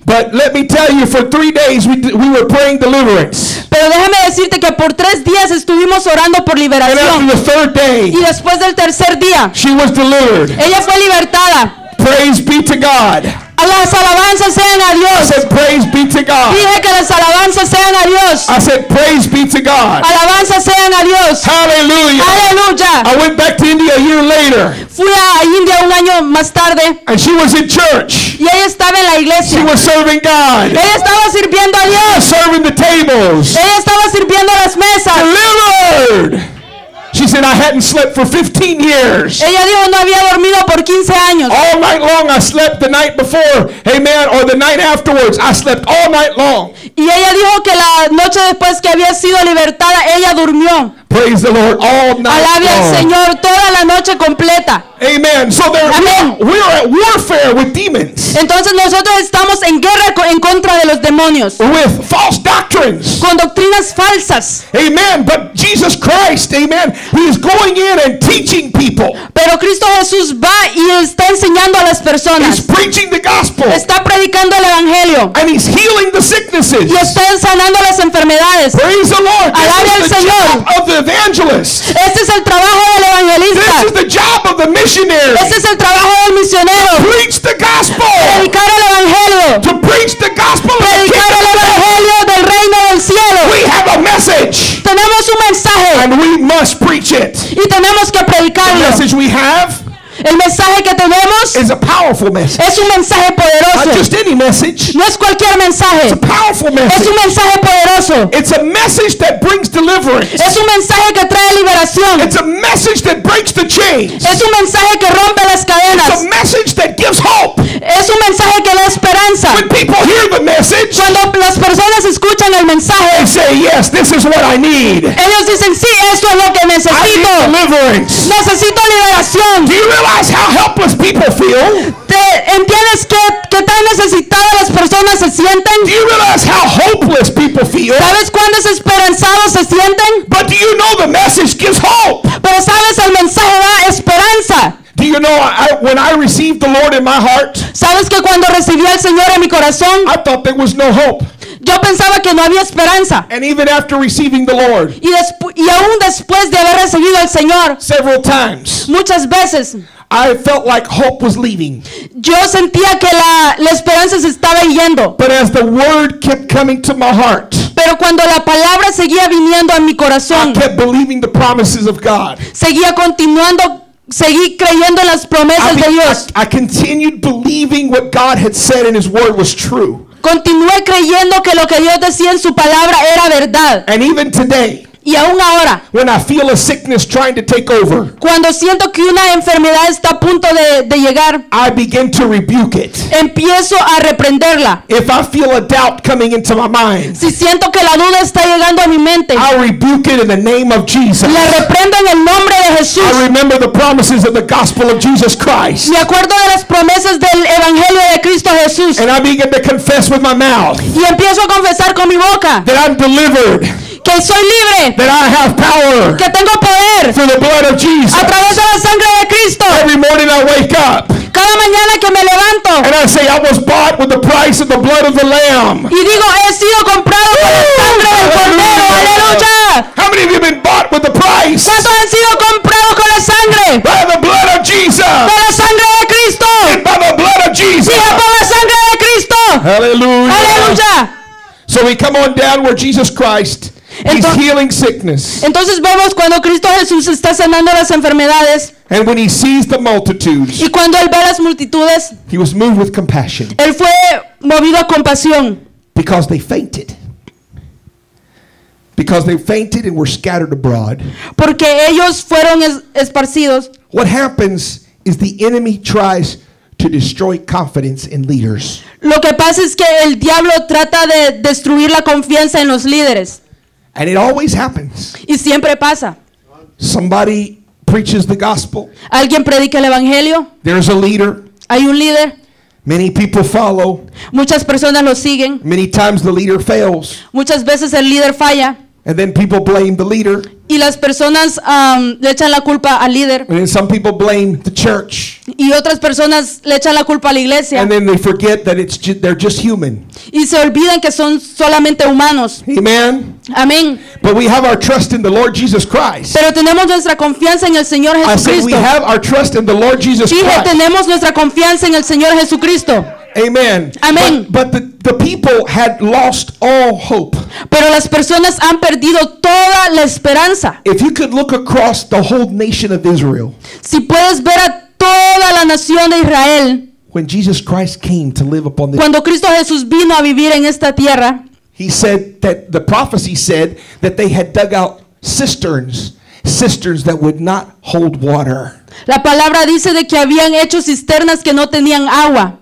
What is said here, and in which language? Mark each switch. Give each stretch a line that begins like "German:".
English: But let me tell you, for 3 days we were praying deliverance.
Spanish: Pero déjame decirte que por 3 días estuvimos orando por liberación.
English: And after the third day,
Spanish: y después del tercer día,
English: she was delivered.
Spanish: Ella fue libertada.
English: Praise be to God.
Spanish: Las alabanzas sean a Dios.
English: I said, "Praise be to God."
Spanish: Dije que las alabanzas sean a Dios.
English: I said, "Praise be to God."
Spanish: Alabanzas sean a Dios.
English: Hallelujah. Hallelujah. I went back to India a year later.
Spanish: Fui a India un año más tarde.
English: And she was in church.
Spanish: Y ella estaba en la iglesia.
English: She was serving God.
Spanish: Ella estaba sirviendo a Dios.
English: She was serving the tables.
Spanish: Ella estaba sirviendo las mesas.
English: Delivered. She said, "I hadn't slept for 15 years.
Spanish: Ella dijo, no había dormido por 15 años.
English: All night long I slept the night before, amen, or the night afterwards. I slept all night long.
Spanish: Y ella dijo que la noche después que había sido libertada, ella durmió.
English: Praise the Lord, all night
Spanish: alabia
English: long.
Spanish: Alabia al Señor toda la noche completa.
English: Amen. So we're at warfare with demons.
Spanish: Entonces nosotros estamos en guerra en contra de los demonios.
English: With false doctrines.
Spanish: Con doctrinas falsas.
English: Amen. But Jesus Christ, amen, He is going in and teaching people.
Spanish: Pero Cristo Jesús va y está enseñando a las personas.
English: He's preaching the gospel.
Spanish: Está predicando el evangelio.
English: And He's healing the sicknesses.
Spanish: Y está sanando las enfermedades.
English: Praise the Lord.
Spanish: Alabia al Señor.
English: The evangelist.
Spanish: Este es el trabajo del evangelista.
English: This is the job of the missionary.
Spanish: Este es el trabajo del misionero.
English: To preach the gospel.
Spanish: Predicar el evangelio.
English: To preach the gospel.
Spanish: Predicar el evangelio del reino del cielo.
English: We have a message.
Spanish: Tenemos un mensaje.
English: And we must preach it.
Spanish: Y tenemos que predicarlo.
English: The message we have.
Spanish: El mensaje que tenemos
English: is a powerful message.
Spanish: Es un mensaje poderoso.
English: Not just any message.
Spanish: No es cualquier mensaje.
English: It's a powerful message.
Spanish: Es un mensaje poderoso.
English: It's a message that brings deliverance.
Spanish: Es un mensaje que trae liberación.
English: It's a message that breaks the chains.
Spanish: Es un mensaje que rompe las cadenas.
English: It's a message that gives hope.
Spanish: Es un mensaje que da esperanza.
English: When people hear the message,
Spanish: cuando las personas escuchan el mensaje,
English: they say, "Yes, this is what I need."
Spanish: Ellos dicen, "Sí, esto es lo que necesito."
English: I need deliverance.
Spanish: Necesito liberación.
English: Realize how helpless people feel.
Spanish: ¿Entiendes qué tan necesitadas las personas se sienten?
English: Do you realize how hopeless people feel?
Spanish: ¿Sabes cuán desesperanzados se sienten?
English: But do you know the message gives hope?
Spanish: Pero sabes, el mensaje da esperanza.
English: Do you know when I received the Lord in my heart?
Spanish: ¿Sabes que cuando recibí al Señor en mi corazón?
English: I thought there was no hope.
Spanish: Yo pensaba que no había esperanza.
English: And even after receiving the Lord,
Spanish: y aún después de haber recibido al Señor,
English: several times,
Spanish: muchas veces,
English: I felt like hope was leaving.
Spanish: Yo sentía que la esperanza se estaba yendo.
English: But as the word kept coming to my heart,
Spanish: pero cuando la palabra seguía viniendo a mi corazón,
English: I kept believing the promises of God.
Spanish: Seguía continuando. Seguí creyendo en las promesas de Dios.
English: I continued believing what God had said in His word was true.
Spanish: Continué creyendo que lo que Dios decía en su palabra era verdad.
English: And even today,
Spanish: y aún ahora,
English: when I feel a sickness trying to take over,
Spanish: cuando siento que una enfermedad está a punto de llegar,
English: I begin to rebuke it.
Spanish: Empiezo a reprenderla.
English: If I feel a doubt coming into my mind,
Spanish: si siento que la duda está llegando a mi mente,
English: I rebuke it in the name of Jesus.
Spanish: La reprendo en el nombre de Jesús.
English: I remember the promises of the gospel of Jesus Christ.
Spanish: Me acuerdo de las promesas del evangelio de Cristo Jesús.
English: And I begin to confess with my mouth,
Spanish: y empiezo a confesar con mi boca,
English: that I'm delivered.
Spanish: que soy libre,
English: that I have power,
Spanish: que tengo poder,
English: through the blood of Jesus,
Spanish: a través de la sangre de Cristo.
English: Every morning I wake up,
Spanish: cada mañana que me levanto,
English: and I say I was bought with the price of the blood of the Lamb,
Spanish: y digo he sido comprado con la sangre del cordero. Aleluya.
English: How many of you have been bought with the price?
Spanish: ¿Cuántos han sido comprados con la sangre?
English: By the blood of Jesus.
Spanish: Con la sangre de Cristo.
English: And by the blood of Jesus.
Spanish: Sí, por la sangre de Cristo.
English: Hallelujah.
Spanish: Aleluya.
English: So we come on down where Jesus Christ, he's healing sickness.
Spanish: Entonces vemos cuando Cristo Jesús está sanando las enfermedades.
English: And when he sees the multitudes,
Spanish: y cuando él ve las multitudes,
English: he was moved with compassion.
Spanish: Él fue movido a compasión.
English: Because they fainted. Because they fainted and were scattered abroad.
Spanish: Porque ellos fueron esparcidos.
English: What happens is the enemy tries to destroy confidence in leaders.
Spanish: Lo que pasa es que el diablo trata de destruir la confianza en los líderes.
English: And it always happens.
Spanish: Y siempre pasa.
English: Somebody preaches the gospel.
Spanish: Alguien predica el evangelio.
English: There's a leader.
Spanish: Hay un líder.
English: Many people follow.
Spanish: Muchas personas lo siguen.
English: Many times the leader fails.
Spanish: Muchas veces el líder falla.
English: And then people blame the leader.
Spanish: Y las personas le echan la culpa al líder.
English: And then some people blame the church.
Spanish: Y otras personas le echan la culpa a la iglesia.
English: And then they forget that it's they're just human.
Spanish: Y se olvidan que son solamente humanos.
English: Amen.
Spanish: Amén.
English: But we have our trust in the Lord Jesus Christ.
Spanish: Pero tenemos nuestra confianza en el Señor Jesucristo.
English: I said we have our trust in the Lord Jesus Christ.
Spanish: Dije, tenemos nuestra confianza en el Señor Jesucristo.
English: Amen.
Spanish: Amén.
English: But the people had lost all hope.
Spanish: Pero las personas han perdido toda la esperanza.
English: If you could look across the whole nation of Israel.
Spanish: Si puedes ver a toda la nación de Israel.
English: When Jesus Christ came to live upon this.
Spanish: Cuando Cristo Jesús vino a vivir en esta tierra.
English: He said that the prophecy said that they had dug out cisterns that would not hold water.
Spanish: La palabra dice de que habían hecho cisternas que no tenían agua.